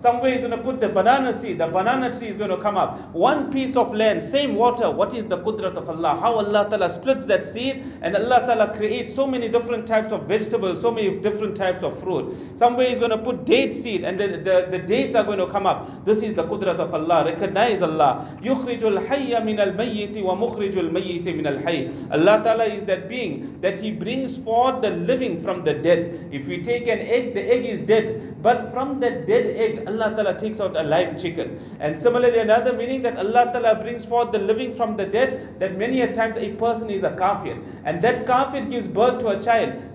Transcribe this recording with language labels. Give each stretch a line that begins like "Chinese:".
English: Somewhere he's going to put the banana seed. The banana tree is going to come up. One piece of land, same water. What is the qudrat of Allah? How Allah Ta'ala splits that seed, and Allah Ta'ala creates so many different types of vegetables, so many different types of fruit. Somewhere he's going to put date seed, and the dates are going to come up. This is the qudrat of Allah. Recognize Allah.
Arabic: يخرج الحي من الميت ومخرج الميت من الحي.
English: Allah Ta'ala is that being that he brings forth the living from the dead. If we take an egg, the egg is dead, but from that dead egg, Allah Ta'ala takes out a live chicken. And similarly, another meaning that Allah Ta'ala brings forth the living from the dead, that many a times a person is a kafir, and that kafir gives birth to a child.